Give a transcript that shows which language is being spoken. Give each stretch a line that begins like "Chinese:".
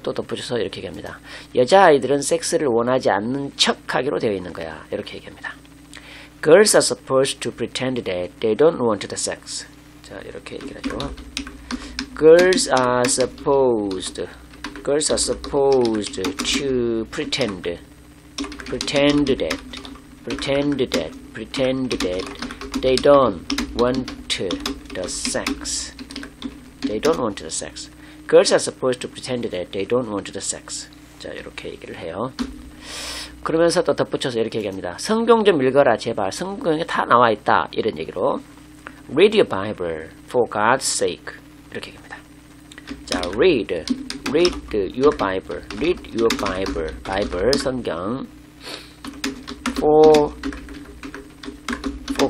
Korean: 또 덧붙여서 이렇게 얘기합니다. 여자아이들은 섹스를 원하지 않는 척 하기로 되어 있는 거야. 이렇게 얘기합니다.
English: Girls are supposed to pretend that they don't want the sex.
Korean: 자, 이렇게 얘기를 하죠.
English: Girls are supposed to pretend that they don't want the sex. They don't want the sex. Girls are supposed to pretend that they don't want the sex.
Korean: 자, 이렇게 얘기를 해요. 그러면서 또 덧붙여서 이렇게 얘기합니다. 성경 좀 읽어라, 제발. 성경에 다 나와 있다. 이런 얘기로.
English: Read your Bible for God's sake.
Korean: 이렇게 얘기합니다. 자,
English: read your Bible, 성경, for